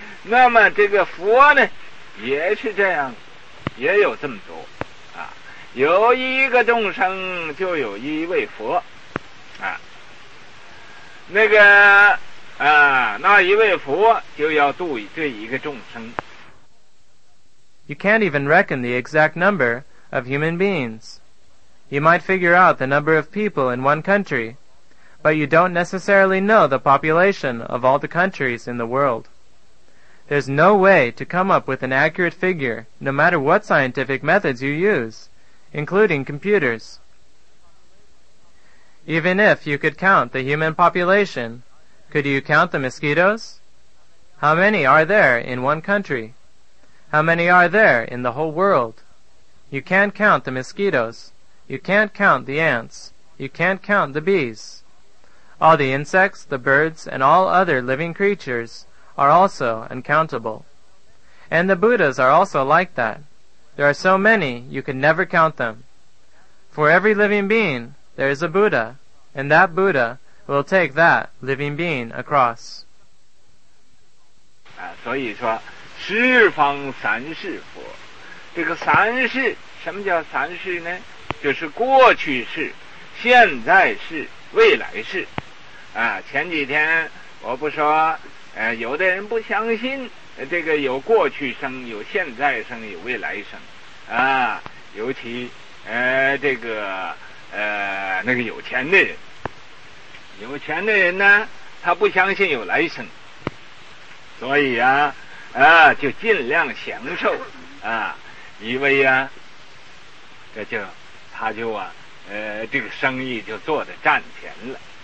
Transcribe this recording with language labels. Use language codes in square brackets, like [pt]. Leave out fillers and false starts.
[zh] 那么这个佛呢也是这样，也有这么多啊，有一个众生就有一位佛啊，那个啊，那一位佛就要度这一个众生。 [en] You can't even reckon the exact number of human beings. You might figure out the number of people in one country, but you don't necessarily know the population of all the countries in the world. There's no way to come up with an accurate figure, no matter what scientific methods you use, including computers. Even if you could count the human population, could you count the mosquitoes? How many are there in one country? How many are there in the whole world? You can't count the mosquitoes. You can't count the ants. You can't count the bees. All the insects, the birds, and all other living creatures are also uncountable. And the Buddhas are also like that. There are so many, you can never count them. For every living being, there is a Buddha, and that Buddha will take that living being across. [zh] 所以说，十方三世佛，这个三世，什么叫三世呢？就是过去世、现在世、未来世。前几天我不说，有的人不相信这个有过去生、有现在生、有未来生，尤其这个那个有钱的人，有钱的人呢，他不相信有来生，所以就尽量享受啊，以为这就他就这个生意就做得赚钱了。